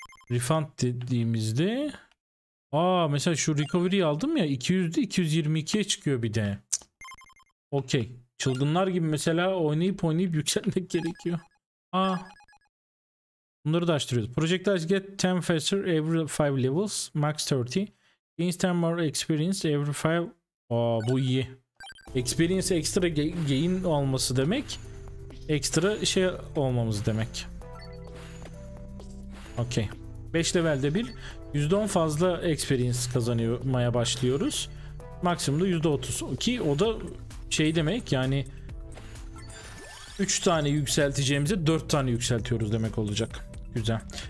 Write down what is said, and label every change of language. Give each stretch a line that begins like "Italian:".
Turkish: Refund dediğimizde, aa mesela şu recovery'yi aldım ya, 200'de 222'ye çıkıyor bir de. Okey. Çılgınlar gibi mesela oynayıp yükselmek gerekiyor. Aa. Bunları da açtırıyoruz.
English: Projectiles get 10 faster every 5 levels, max 30. Gains 10 more experience every 5.
Turkish: Aa, bu iyi. Experience ekstra gain olması demek. Ekstra şey olmamız demek. Okey. 5 levelde bir %10 fazla experience kazanmaya başlıyoruz. Maksimumda %30. Ki o da şey demek yani, 3 tane yükselteceğimize 4 tane yükseltiyoruz demek olacak. Güzel.